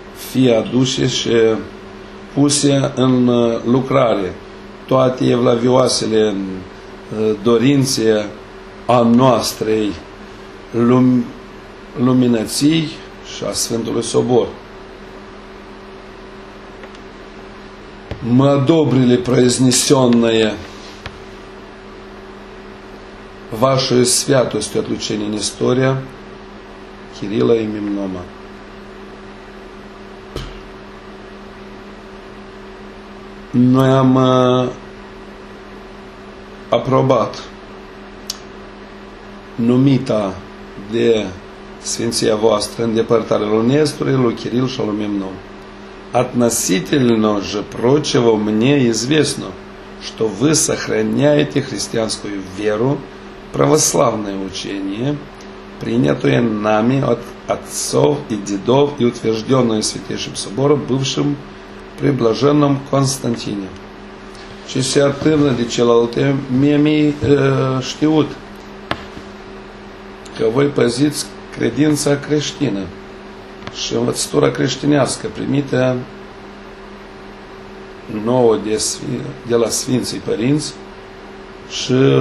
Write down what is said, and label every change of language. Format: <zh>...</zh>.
<ro>fie aduse și puse în lucrare toate evlavioasele dorințe a noastrei luminății și a Sfântului Sobor.</ro> <ru>Мы одобрили произнесенное вашей святостью отлучение Нестория, Кирилла и Мемнона.</ru> <ro>Noi am aprobat numita de Sfinția voastră îndepărtarea lui Nestorului, lui Kiril și lui Memnon.</ro> <ru>Относительно же прочего мне известно, что вы сохраняете христианскую веру, православное учение, принятое нами от отцов и дедов и утвержденное Святейшим Собором, бывшим при блаженном Константине.</ru> <ro>Ce se atârnă de celălalt, mie mi-i știut că voi păziți credința creștină și învățătura creștinească primită nouă de la Sfinții Părinți și</ro>